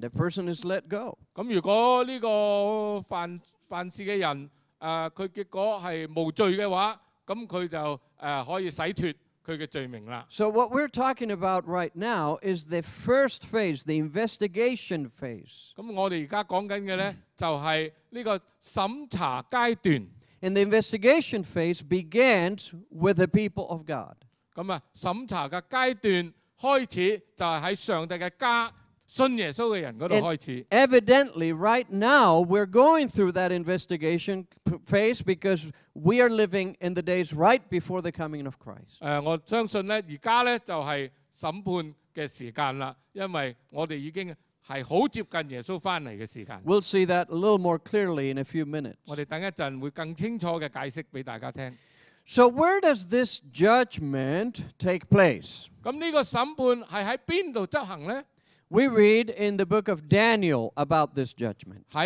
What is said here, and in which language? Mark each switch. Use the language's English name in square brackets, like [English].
[English] The person is let go. [Cantonese] 咁如果呢個犯事嘅人，佢結果係無罪嘅話，咁佢就可以洗脱佢嘅罪名啦。 [English] So what we're talking about right now is the first phase, the investigation phase. [Cantonese] 咁我哋而家講緊嘅咧，就係呢個審查階段。 [English] And the investigation phase begins with the people of God. [Cantonese] 咁啊，審查嘅階段開始就係喺上帝嘅家信耶穌嘅人嗰度開始。 [English] And evidently, right now we're going through that investigation phase because we are living in the days right before the coming of Christ. [Cantonese] 我相信咧，而家咧就係審判嘅時間啦，因為我哋已經係好接近耶穌翻嚟嘅時間。 [English] We'll see that a little more clearly in a few minutes. [Cantonese] 我哋等一陣會更清楚嘅解釋俾大家聽。 [English] So where does this judgment take place? [Cantonese] 咁呢個審判係喺邊度執行咧？ [English] We read in the book of Daniel about this judgment.